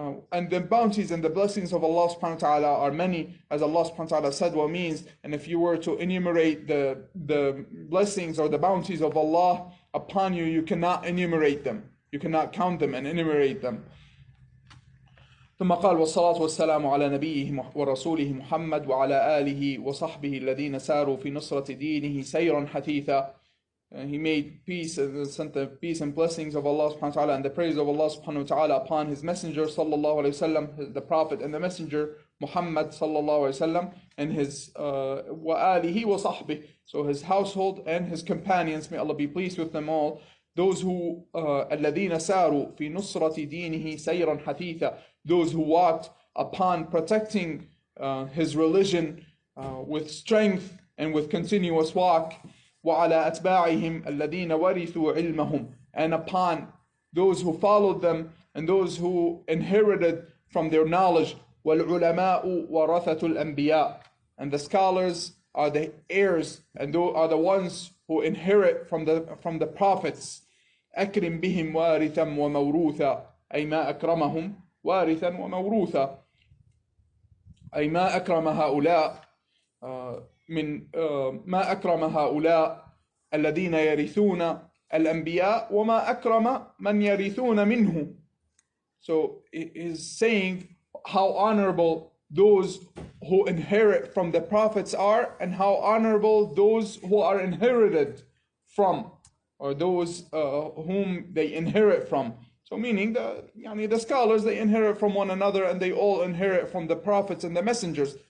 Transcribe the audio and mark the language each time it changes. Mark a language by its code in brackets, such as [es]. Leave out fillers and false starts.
[en] And the bounties and the blessings of Allah subhanahu wa ta'ala are many, as Allah subhanahu wa ta'ala said wa means. And if you were to enumerate the blessings or the bounties of Allah upon you, you cannot enumerate them. You cannot count them and enumerate them. [ar] ثم قال والصلاة والسلام على نبيه ورسوله محمد وعلى آله وصحبه الذين ساروا في نصرة دينه سيرا حثيثا. [en] He made peace and sent the peace and blessings of Allah subhanahu wa ta'ala and the praise of Allah subhanahu wa ta'ala upon his messenger sallallahu alayhi wa sallam, the prophet and the messenger Muhammad sallallahu alayhi wa sallam, and his wa alihi wa sahbihi, so his household and his companions, may Allah be pleased with them all, those who alladhina saru fi nusrati dinihi sayran hatitha, those who walked upon protecting his religion with strength and with continuous walk. وعلى أتباعهم الذين ورثوا علمهم, and upon those who followed them and those who inherited from their knowledge. والعلماء ورثة الأنبياء, and the scholars are the heirs and are the ones who inherit from the prophets. [ar] أكرم بهم وارثا وموروثا, أي ما أكرمهم وارثا وموروثا, أي ما أكرم هؤلاء من ما أكرم هؤلاء الذين يرثون الأنبياء وما أكرم من يرثون منه. [en] So he's saying how honorable those who inherit from the prophets are, and how honorable those who are inherited from, or those whom they inherit from. So meaning the scholars, they inherit from one another, and they all inherit from the prophets and the messengers.